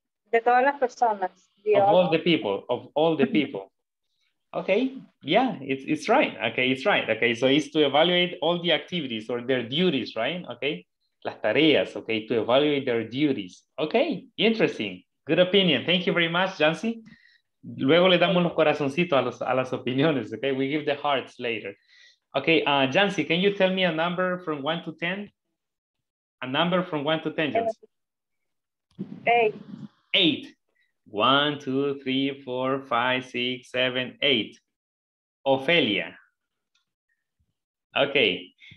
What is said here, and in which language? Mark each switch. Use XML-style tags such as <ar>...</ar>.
<es>De todas las personas.</es> <en>Of all the people. Okay, yeah, it's right. Okay, so it's to evaluate all the activities or their duties, right? Okay,</en> <es>las tareas,</es> <en>okay, to evaluate their duties. Okay, interesting. Good opinion. Thank you very much, Jancy.</en> <es>Luego le damos los corazoncitos a las opiniones, okay?</es> <en>We give the hearts later. Okay, Jancy, can you tell me a number from 1 to 10? A number from 1 to 10, Jancy. 8. 1, 2, 3, 4, 5, 6, 7, 8. Ophelia. Okay.</en>